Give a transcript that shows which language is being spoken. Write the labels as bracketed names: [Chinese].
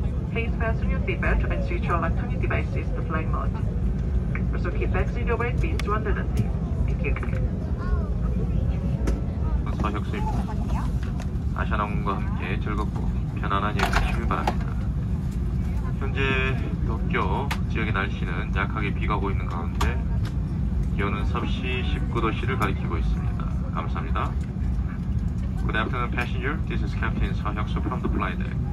[English] Please fasten your seatbelt and switch your electronic devices to flight mode. Also keep passing your weight pins to under the seat. Thank you. [Korean] 서혁수입니다. 아시아나운과 함께 즐겁고 편안한 여행하시길 바랍니다. 현재 도쿄 지역의 날씨는 약하게 비가 오고 있는 가운데 기온은 섭씨 19도씨를 가리키고 있습니다. 감사합니다. [English] Good afternoon, passenger. This is Captain 서혁수 from the flight deck.